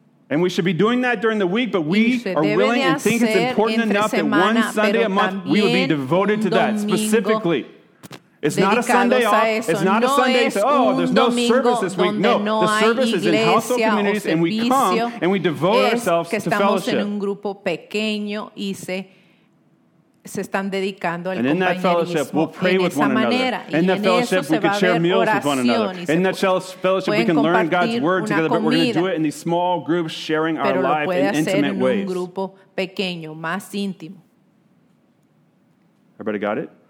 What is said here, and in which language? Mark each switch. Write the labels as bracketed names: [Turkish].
[English] And we should be doing that during the week, but we are willing and think it's important enough [Spanish] semana, [English] that one Sunday a month we would be devoted to that specifically. It's not a Sunday off. It's not a Sunday to say, oh, there's no service this week. No, the service is in household communities, and we come and we devote ourselves to fellowship. [Spanish] En un grupo pequeño y se están dedicando al [English] and in that fellowship, we'll pray with one another. In that fellowship, we can share meals with one another. In that fellowship, we can learn God's word together, but we're going to do it in these small groups, sharing our lives in intimate ways. [Spanish] Un grupo pequeño, más íntimo. [English] Everybody got it?